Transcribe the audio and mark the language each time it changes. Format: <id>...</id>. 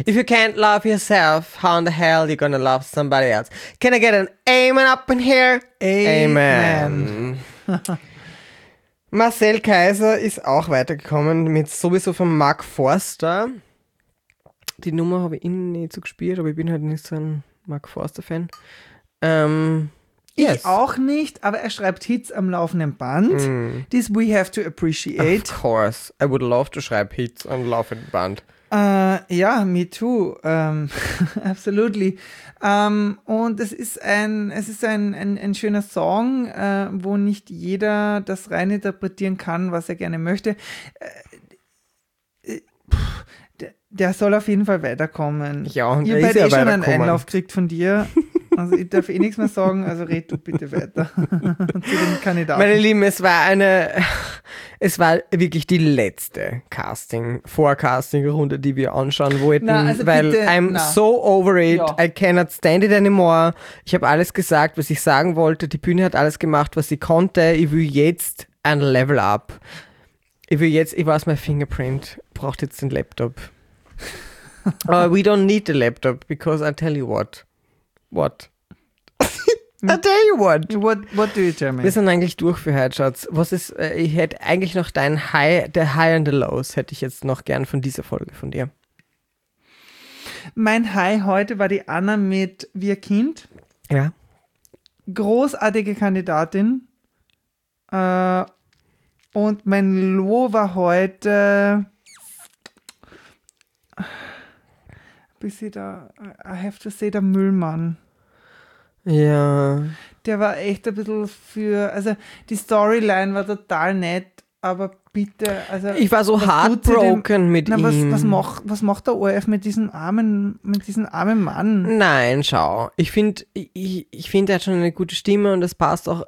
<en>if you can't love yourself, how in the hell are you gonna love somebody else? Can I get an amen up in here? Amen.</en> <de>Marcel Kaiser ist auch weitergekommen mit sowieso von Mark Forster. Die Nummer habe ich nicht so gespielt, aber ich bin halt nicht so ein Mark Forster-Fan. Ich auch nicht, aber er schreibt Hits am laufenden Band. Mm.</de> <en>This we have to appreciate. Of course. I would love to</en> <de>schreibe Hits am laufenden Band.</de> <en>Ja, me too. absolutely.</en> <de>Und es ist ein schöner Song, wo nicht jeder das reininterpretieren kann, was er gerne möchte. Der soll auf jeden Fall weiterkommen. Ja, und ihr beide schon einen Einlauf kriegt von dir. Also ich darf eh nichts mehr sagen, also red du bitte weiter zu den Kandidaten. Meine Lieben, es war wirklich die letzte Vorcasting-Runde, die wir anschauen wollten. Na, also weil bitte,</de> <en>I'm so over it, ja. I cannot stand it anymore.</en> <de>Ich habe alles gesagt, was ich sagen wollte. Die Bühne hat alles gemacht, was sie konnte. Ich will jetzt ein Level up. Ich weiß, mein Fingerprint braucht jetzt den Laptop.</de> <en>we don't need the laptop, because I tell you what. What? I tell you what. What do you tell me?</en> <de>Wir sind eigentlich durch für heute, Schatz. Was ist, ich hätte eigentlich noch dein High, the High and the Lows, hätte ich jetzt noch gern von dieser Folge von dir. Mein High heute war die Anna mit Wir Kind. Ja. Großartige Kandidatin. Und mein Low war heute...</de> <en>I have to say,</en> <de>der Müllmann. Ja. Der war echt ein bisschen für, also die Storyline war total nett, aber bitte, also. Ich war so heartbroken mit ihm. Was macht der ORF mit diesem armen Mann? Nein, schau. Ich finde, er hat schon eine gute Stimme und das passt auch.</de>